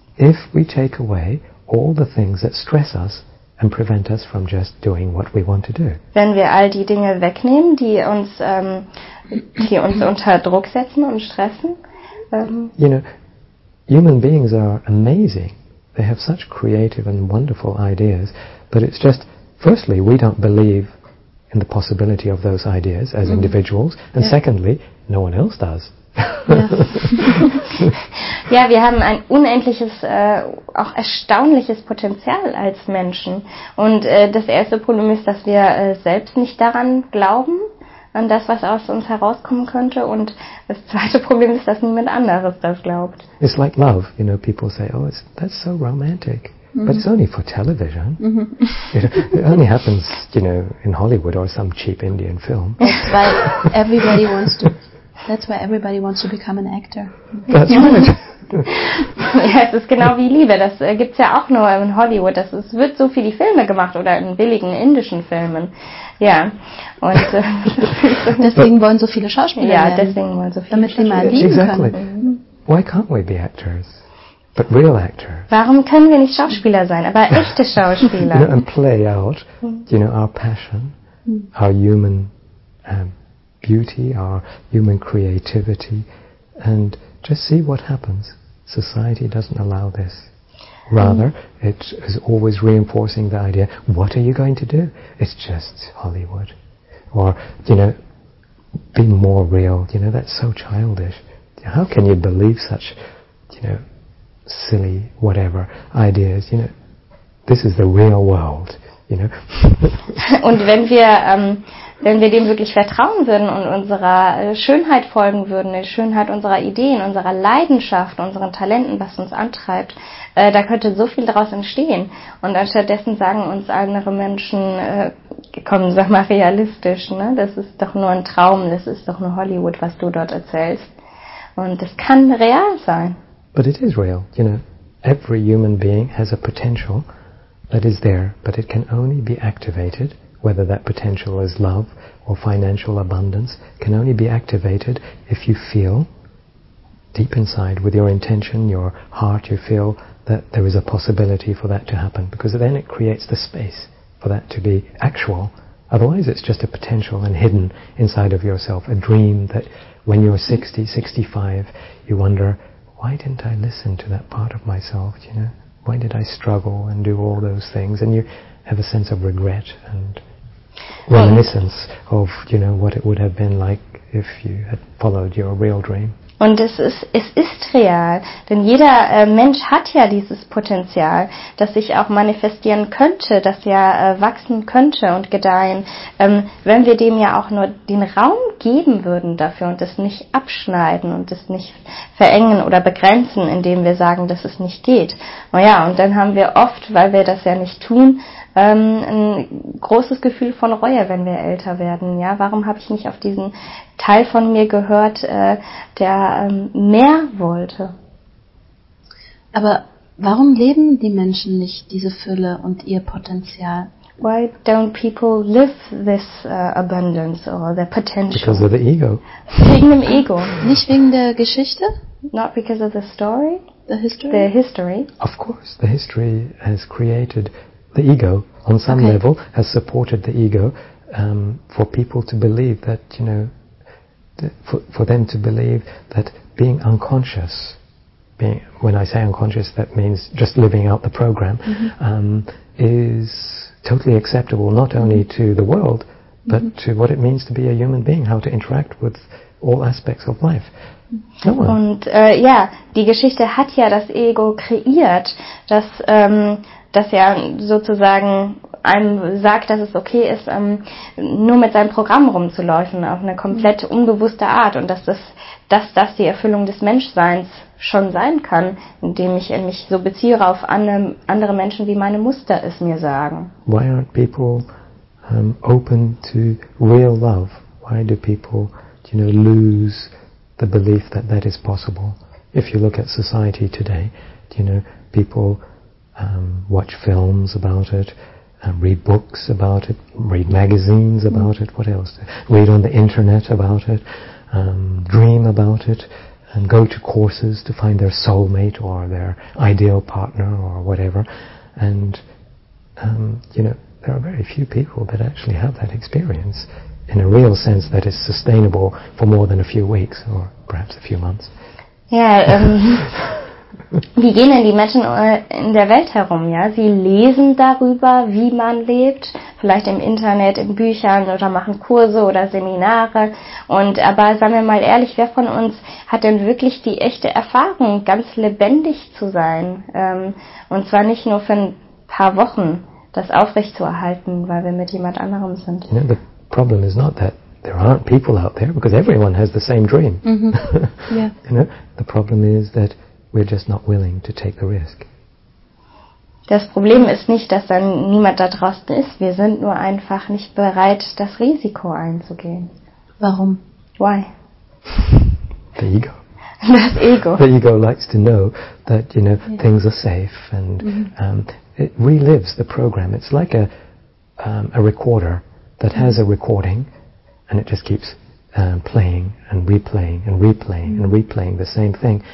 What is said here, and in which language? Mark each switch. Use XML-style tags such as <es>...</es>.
<en>If we take away all the things that stress us and prevent us from just doing what we want to do.</en> <de>Wenn wir all die Dinge wegnehmen, die uns unter Druck setzen und stressen.</de> <en>You know, human beings are amazing. They have such creative and wonderful ideas, but it's just, firstly, we don't believe in the possibility of those ideas as individuals, and secondly, no one else does.</en> <de>Ja, wir haben ein unendliches, auch erstaunliches Potenzial als Menschen. Und das erste Problem ist, dass wir selbst nicht daran glauben, an das, was aus uns herauskommen könnte. Und das zweite Problem ist, dass niemand anderes das glaubt.</de> <en>It's like love, you know, people say, oh, that's so romantic. But it's only for television. It only happens, you know, in Hollywood or some cheap Indian film. That's why everybody wants to become an actor. That's right.</en> <de>Ja, es ist genau wie Liebe. Das gibt's ja auch nur in Hollywood. Es wird so viele Filme gemacht oder in billigen indischen Filmen. Ja. Und deswegen wollen so viele Schauspieler werden. Ja, deswegen wollen so viele damit Schauspieler. Damit sie mal lieben</de> <en>exactly.</en> <de>können.</de> <en>Why can't we be actors? But real actor.</en> <de>Warum können wir nicht Schauspieler sein, aber echte Schauspieler?</de> <en>You know, and play out, you know, our passion, our human beauty, our human creativity, and just see what happens. Society doesn't allow this. Rather, it is always reinforcing the idea, what are you going to do? It's just Hollywood. Or, you know, be more real. You know, that's so childish. How can you believe such, you know, silly, whatever, ideas, you know, this is the real world, you know.</en> <de>Und wenn wir, wenn wir dem wirklich vertrauen würden und unserer Schönheit folgen würden, der Schönheit unserer Ideen, unserer Leidenschaft, unseren Talenten, was uns antreibt, da könnte so viel daraus entstehen. Und anstattdessen sagen uns andere Menschen, komm, sag mal realistisch, ne, das ist doch nur ein Traum, das ist doch nur Hollywood, was du dort erzählst. Und das kann real sein.</de> <en>But it is real, you know. Every human being has a potential that is there, but it can only be activated, whether that potential is love or financial abundance, can only be activated if you feel deep inside with your intention, your heart, you feel that that there is a possibility for that to happen, because then it creates the space for that to be actual. Otherwise it's just a potential and hidden inside of yourself, a dream that when you're 60, 65, you wonder, why didn't I listen to that part of myself, you know? Why did I struggle and do all those things? And you have a sense of regret and reminiscence of, you know, what it would have been like if you had followed your real dream.</en> <de>Und es ist real, denn jeder Mensch hat ja dieses Potenzial, das sich auch manifestieren könnte, das ja wachsen könnte und gedeihen, wenn wir dem ja auch nur den Raum geben würden dafür und es nicht abschneiden und es nicht verengen oder begrenzen, indem wir sagen, dass es nicht geht. Naja, und dann haben wir oft, weil wir das ja nicht tun, ein großes Gefühl von Reue, wenn wir älter werden. Ja, warum habe ich nicht auf diesen Teil von mir gehört, der mehr wollte? Aber warum leben die Menschen nicht diese Fülle und ihr Potenzial?</de> <en>Why don't people live this abundance or their potential? Because of the ego.</en> <de>Wegen dem Ego. Nicht wegen der Geschichte?</de> <en>Not because of the story. The history? The history. Of course, the history has created the ego, on some level, has supported the ego for people to believe that, you know, for them to believe that being unconscious, when I say unconscious, that means just living out the program, is totally acceptable, not only to the world, but to what it means to be a human being, how to interact with all aspects of life.</en> <de>Und ja, die Geschichte hat ja das Ego kreiert, dass das ja sozusagen einem sagt, dass es okay ist, nur mit seinem Programm rumzulaufen, auf eine komplett unbewusste Art, und dass das die Erfüllung des Menschseins schon sein kann, indem ich mich so beziehe auf andere Menschen, wie meine Muster es mir sagen.</de> <en>Why aren't people open to real love? Why do people, you know, lose the belief that that is possible? If you look at society today, you know, people watch films about it, read books about it, read magazines about it, what else? Read on the internet about it, dream about it, and go to courses to find their soulmate or their ideal partner or whatever. And, you know, there are very few people that actually have that experience in a real sense that is sustainable for more than a few weeks or perhaps a few months.</en> <de>Yeah, wie gehen denn die Menschen in der Welt herum? Ja, sie lesen darüber, wie man lebt, vielleicht im Internet, in Büchern oder machen Kurse oder Seminare. Und aber sagen wir mal ehrlich, wer von uns hat denn wirklich die echte Erfahrung, ganz lebendig zu sein? Und zwar nicht nur für ein paar Wochen, das aufrechtzuerhalten, weil wir mit jemand anderem sind.</de> <en>You know, the problem is not that there aren't people out there, because everyone has the same dream. Yeah. You know, the problem is that we're just not willing to take the risk.</en> <de>Das Problem ist nicht, dass dann niemand da draußen ist. Wir sind nur einfach nicht bereit, das Risiko einzugehen. Warum?</de> <en>Why? The ego.</en> <de>Das Ego.</de> <en>The ego likes to know that, you know, things are safe, and it relives the program. It's like a recorder that has a recording, and it just keeps playing and replaying and replaying and replaying the same thing.</en>